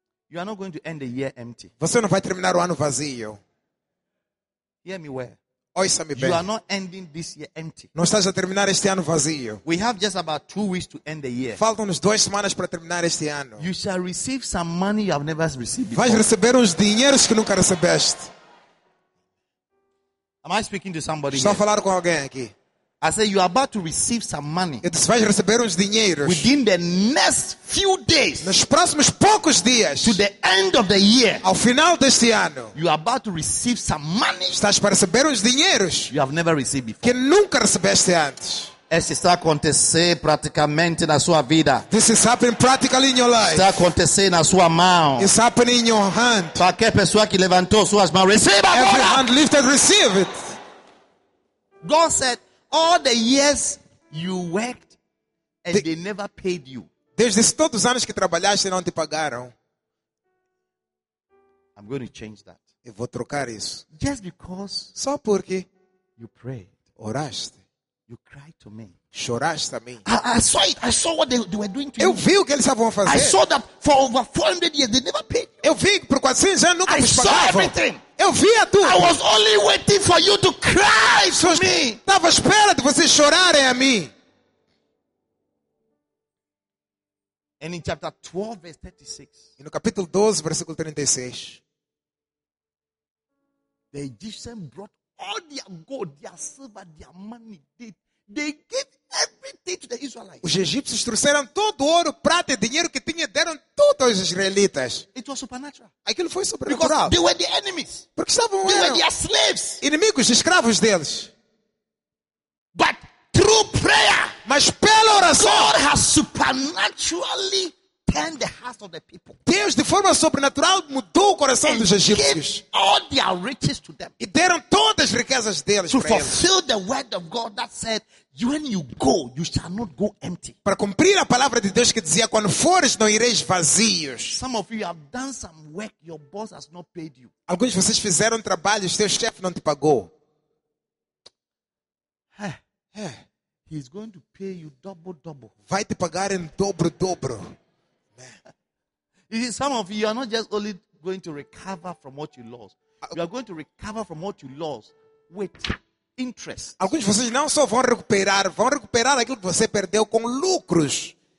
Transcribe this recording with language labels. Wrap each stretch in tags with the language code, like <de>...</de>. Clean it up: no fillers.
<en>You are not going to end the year empty.</en> <pt>Você não vai terminar o ano vazio.</pt> <en>Hear me well.</en> <pt>Ouça-me bem.</pt> <en>You are not ending this year empty.</en> <pt>Não estás a terminar este ano vazio.</pt> <en>We have just about 2 weeks to end the year.</en> <pt>Faltam-nos 2 semanas para terminar este ano.</pt> <en>You shall receive some money you have never received before.</en> <pt>Vais receber uns dinheiros que nunca recebeste.</pt> <en>Am I speaking to somebody?</en> <pt>Estou a falar com alguém aqui.</pt> <en>I say you are about to receive some money.</en> <pt>E tu vais receber uns dinheiros.</pt> <en>Within the next few days.</en> <pt>Nos próximos poucos dias.</pt> <en>To the end of the year.</en> <pt>Ao final deste ano.</pt> <en>You are about to receive some money.</en> <pt>Estás para receber uns dinheiros.</pt> <en>You have never received before.</en> <pt>Que nunca recebeste antes. Isso está acontecendo praticamente na sua vida.</pt> <en>This is happening practically in your life.</en> <pt>Está acontecendo na sua mão.</pt> <en>It's happening in your hand.</en> <pt>Para que pessoa que levantou suas mãos, receba agora.</pt> <en>Every hand lifted, receive it. God said, all the years you worked and they never paid you.</en> <pt>Deus disse, todos os anos que trabalhaste não te pagaram.</pt> <en>I'm going to change that.</en> <pt>Eu vou trocar isso.</pt> <en>Just because</en> <pt>só porque</pt> <en>you prayed,</en> <pt>oraste,</pt> <en>you cried to me,</en> <pt>choraste a mim.</pt> <en>I saw it. I saw what they were doing to you.</en> <pt>Eu vi o que eles estavam a fazer.</pt> <en>I saw that for over 400 years they never paid you.</en> <pt>Eu vi que por 400 anos nunca vos pagavam.</pt> <en>I saw everything.</en> <pt>Eu via tudo.</pt> <en>I was only waiting for you to cry to me.</en> <pt>Estava à espera de vocês chorarem a mim.</pt> <en>And in chapter 12, verse 36.</en> <pt>E no capítulo 12, versículo 36.</pt> <en>The Egyptians brought all their gold, their silver, their money. They gave everything to the Israelites.</en> <pt>Os egípcios trouxeram todo o ouro, prata e dinheiro que tinham, deram tudo aos israelitas.</pt> <en>It was supernatural.</en> <pt>Aquilo foi sobrenatural.</pt> <en>They were the enemies.</en> <pt>Porque estavam</pt> <en>they were their slaves.</en> <pt>Inimigos, escravos deles.</pt> <en>But through prayer,</en> <pt>mas pela oração,</pt> <en>God has supernaturally turned the hearts of the people.</en> <pt>Deus, de forma sobrenatural, mudou o coração dos egípcios.</pt> <en>All their riches to them.</en> <pt>E deram todas as riquezas deles</pt> <en>to fulfill the word of God that said, when you go, you shall not go empty.</en> <pt>Para cumprir a palavra de Deus que dizia, quando fores, não ireis vazios.</pt> <en>Some of you have done some work, your boss has not paid you.</en> <pt>Alguns de vocês fizeram trabalho, seu chefe não te pagou.</pt> <en>He is going to pay you double, double.</en> <pt>Vai te pagar em dobro, dobro.</pt> <en>You see, some of you are not just only going to recover from what you lost. You are going to recover from what you lost with interest.</en> <pt>Alguns de vocês não só vão recuperar aquilo que você perdeu com lucros.</pt>